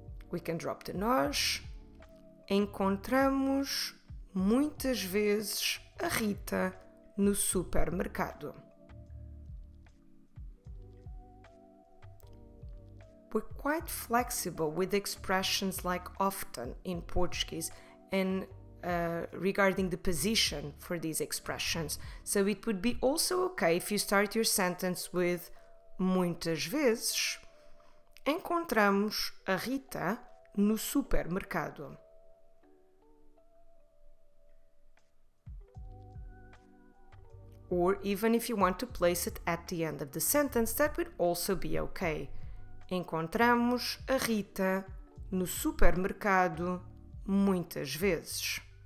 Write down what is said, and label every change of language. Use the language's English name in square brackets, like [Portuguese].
[English] We can drop the nós. [Portuguese] Encontramos muitas vezes a Rita no supermercado. [English] We're quite flexible with expressions like often in Portuguese and regarding the position for these expressions. So it would be also okay if you start your sentence with [Portuguese] muitas vezes encontramos a Rita no supermercado. [English] Or even if you want to place it at the end of the sentence, that would also be okay. [Portuguese] Encontramos a Rita no supermercado muitas vezes.